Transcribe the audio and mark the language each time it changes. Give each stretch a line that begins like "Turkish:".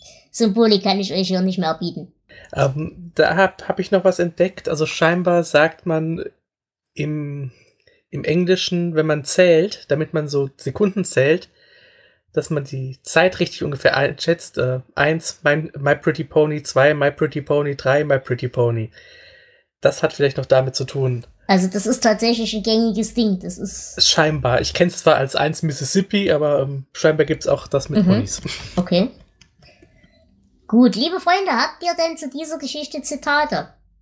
German: Symbolik kann ich euch hier nicht mehr bieten. Da hab ich noch was entdeckt. Also scheinbar sagt man im Englischen, wenn man zählt, damit man so Sekunden zählt, dass man die Zeit richtig ungefähr einschätzt.
English: 1, my pretty pony, 2, my pretty pony, 3, my pretty pony.
German: Das hat vielleicht noch damit zu tun. Also das ist tatsächlich ein gängiges Ding. Das ist scheinbar. Ich kenne es zwar als 1 Mississippi, aber scheinbar gibt es auch das mit Ponys. Okay. Gut, liebe Freunde, habt ihr denn zu dieser Geschichte Zitate?